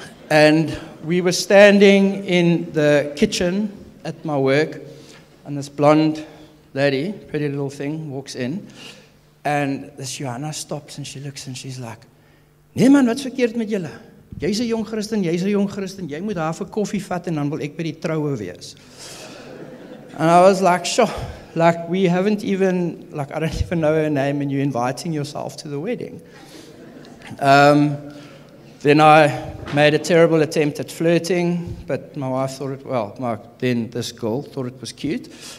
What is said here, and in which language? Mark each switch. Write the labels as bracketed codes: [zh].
[en] And we were standing in the kitchen at my work, and this blonde lady, pretty little thing, walks in, and this Johanna stops and she looks and she's like, [af] nee man, wat's verkeerd met julle? Jy's 'n jong Christen, jy's 'n jong Christen, jy moet haar vir koffie vat en dan wil ek by die troue wees. [en] And I was like, sure, like we haven't even, like I don't even know her name and you're inviting yourself to the wedding. Then I made a terrible attempt at flirting, but my wife thought it, well, this girl thought it was cute.